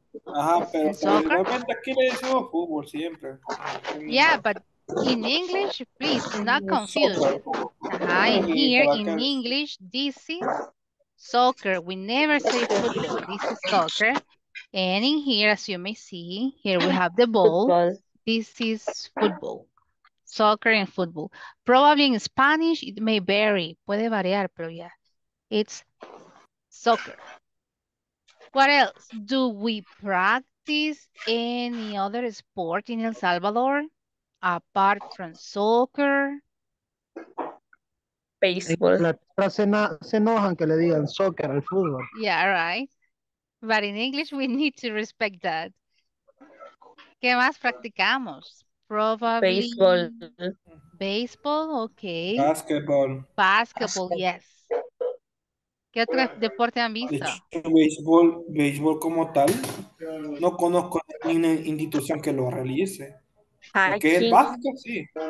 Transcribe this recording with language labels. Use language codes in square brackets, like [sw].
[es] Ajá, pero normalmente aquí le decimos fútbol siempre. [en] Yeah, but in English, please do not confuse. In English, this is soccer. We never say football. This is soccer. And in here, as you may see, here we have the ball. This is football. Soccer and football. Probably in Spanish, it may vary. [es] Puede variar, pero [en] yeah. It's soccer. What else? Do we practice any other sport in El Salvador? Apart from soccer? Baseball. [es] Se enojan que le digan soccer al fútbol. [en] Yeah, right. But in English, we need to respect that. [es] ¿Qué más practicamos? [en] Probably baseball. Baseball, okay. Basketball, [es] yes. ¿Qué otro deporte han visto? Béisbol como tal. No conozco ninguna institución que lo realice. ¿Qué es básquet? Sí.